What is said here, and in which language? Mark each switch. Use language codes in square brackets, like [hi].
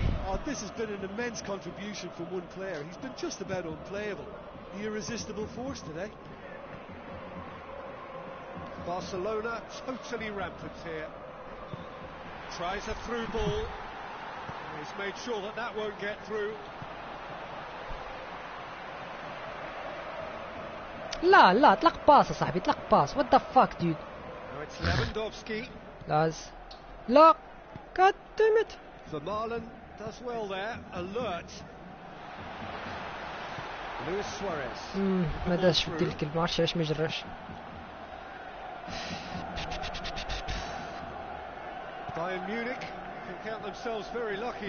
[en] Oh, this has been an immense contribution from one player. He's been just about unplayable. The irresistible force today. Barcelona totally rampant here. Tries a through ball. He's made sure that that won't get through. [ar] لا لا اطلق باص صاحبي اطلق باص. [en] What the fuck dude. It's Lewandowski. [ar] لاز لا [en] God damn it. The Marlin does well there, alert. Luis Suarez. [ar] ما داش شدي الكلب ما عرفتش علاش ما جراش. [en] Bayern Munich can count themselves very lucky.